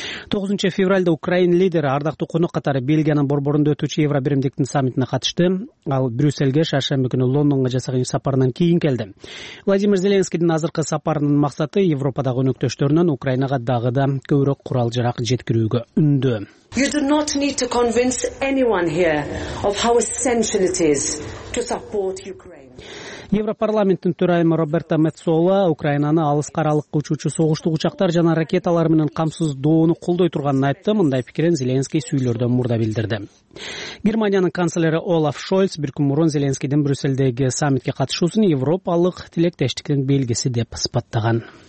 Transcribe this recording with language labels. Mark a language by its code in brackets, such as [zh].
[ky] Тогузунчу февралда Украина лидери ардактуу конок катары Бельгиянын борборунда өтүүчү Евробиримдиктин саммитине катышты. Ал Брюсселге шаршамбы күнү Лондонго жасаган сапарынан кийин келди. Владимир Зеленскийдин азыркы сапарынын максаты Европадагы өнөктөштөрүнөн Украинага дагы да көбүрөөк курал жарак жеткирүүгө үндөө. [en] You do not need to convince anyone here of how essential it is to support Ukraine. [ky] Европарламенттин төрайымы Роберта Мецола Украинаны алыс каралык учуучу согуштук учактар жана ракеталар менен камсыздоону колдой турганын айтты. Мындай пикирин Зеленский сүйлөрдөн мурда билдирди. Германиянын канцлери Олаф Шольц бир күн мурун Зеленскийдин Брюссельдеги саммитке катышуусун европалык тилектештиктин белгиси деп сыпаттаган.